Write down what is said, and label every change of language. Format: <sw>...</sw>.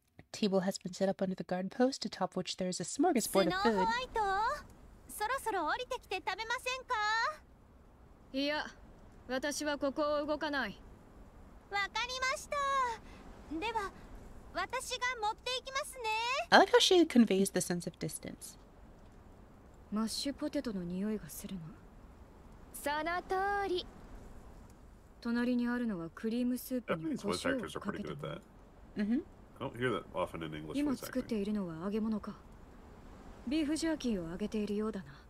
<en>Table has been set up under the garden post, atop which there is a smorgasbord of food.</en> <ja>Snow White, そろそろ降りてきて食べませんか。いや、私はここを動かない。わかりました。では、私が持っていきますね。</ja> <en>I like how she conveys the sense of distance.</en> <ja>マッシュポテトの匂いがするの。その通り。隣にあるのはクリームスープにコショウをかけて。</ja> <en>I don't hear that often in English.</en> <ja>今作っているのは揚げ物か。ビーフジャーキーをあげているようだな。</ja>